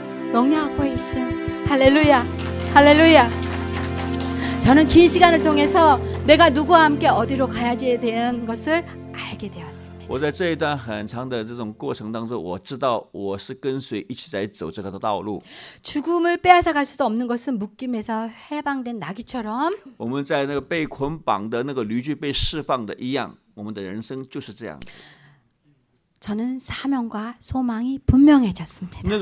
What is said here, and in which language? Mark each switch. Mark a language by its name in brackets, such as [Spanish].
[Korean] 할렐루야 할렐루야 저는 긴 시간을 통해서 내가 누구와 함께 어디로 가야지에 대한 것을 알게 되었습니다. [Chinese] 我在这一段很长的这种过程当中我知道我是跟谁一起在走这个道路。 [Korean] 죽음을 빼앗아갈 수도 없는 것은 묶임에서 해방된 나귀처럼 [Chinese] 我们在那个被捆绑的那个驴具被释放的一样我们的人生就是这样。 [Korean] 저는 사명과 소망이 분명해졌습니다.